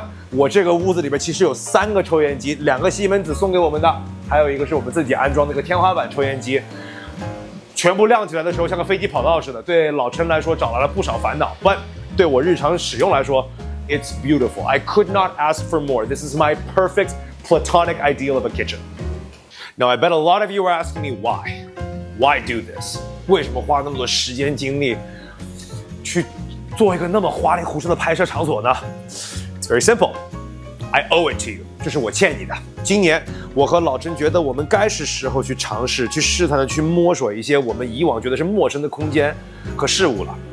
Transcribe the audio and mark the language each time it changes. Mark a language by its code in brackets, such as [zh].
[zh] 我这个屋子里边其实有三个抽烟机，两个西门子送给我们的，还有一个是我们自己安装的一个天花板抽烟机，全部亮起来的时候像个飞机跑道似的，对老陈来说找来了不少烦恼， but 对我日常使用来说 [en] It's beautiful. I could not ask for more. This is my perfect platonic ideal of a kitchen. Now I bet a lot of you are asking me why. Why do this? [zh] 为什么花那么多时间精力去做一个那么花里胡哨的拍摄场所呢？ [en] It's very simple. I owe it to you. [zh] 这是我欠你的。今年我和老陈觉得我们该是时候去尝试，去试探的，去摸索一些我们以往觉得是陌生的空间和事物了。